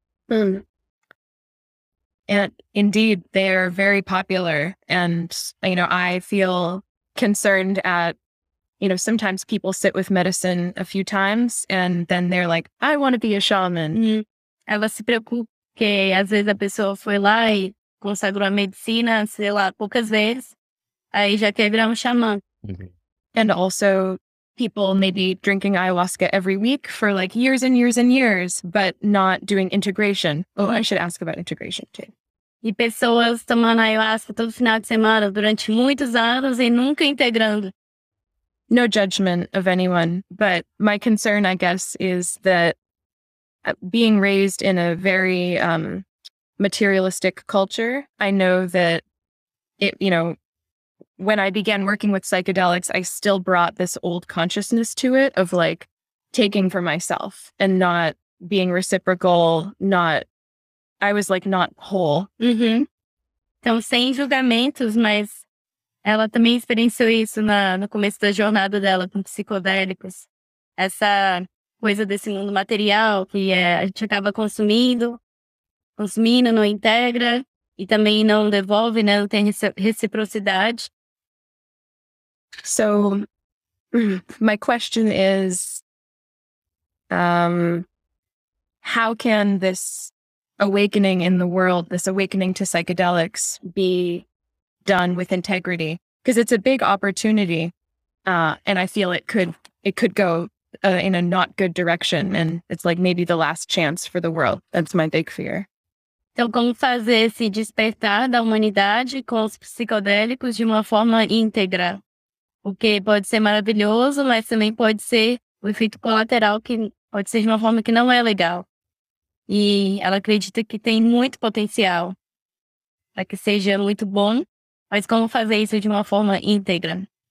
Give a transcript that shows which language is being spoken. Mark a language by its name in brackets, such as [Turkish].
[English] And indeed, they are very popular. And, you know, I feel concerned at, you know, sometimes people sit with medicine a few times and then they're like, I want to be a shaman. [Portuguese] Ela se preocupa que às vezes a pessoa foi lá e consagrou a medicina, sei lá, poucas vezes, aí já quer virar um xamã. [English] And also people maybe drinking ayahuasca every week for like years and years and years, but not doing integration. Oh, I should ask about integration too. [Portuguese] E pessoas tomando ayahuasca todo final de semana durante muitos anos e nunca integrando. [English] No judgment of anyone, but my concern, I guess, is that being raised in a very materialistic culture, I know that it, you know, when I began working with psychedelics, I still brought this old consciousness to it of like taking for myself and not being reciprocal, not, I was like not whole. [Portuguese] Então, sem julgamentos, mas ela também experienciou isso no começo da jornada dela com psicodélicos. Essa coisa desse mundo material que a gente acaba consumindo, não integra e também não devolve, né? Não tem reciprocidade. [English] So, my question is, how can this awakening in the world, this awakening to psychedelics, be done with integrity? Because it's a big opportunity, and I feel it could go in a not good direction, and it's like maybe the last chance for the world. That's my big fear. [Portuguese] Então, como fazer esse despertar da humanidade com os psicodélicos de uma forma íntegra? Porque pode ser maravilhoso, mas também pode ser o efeito colateral, que pode ser de uma forma que não é legal. E ela acredita que tem muito potencial para que seja muito bom, mas como fazer isso de uma forma íntegra?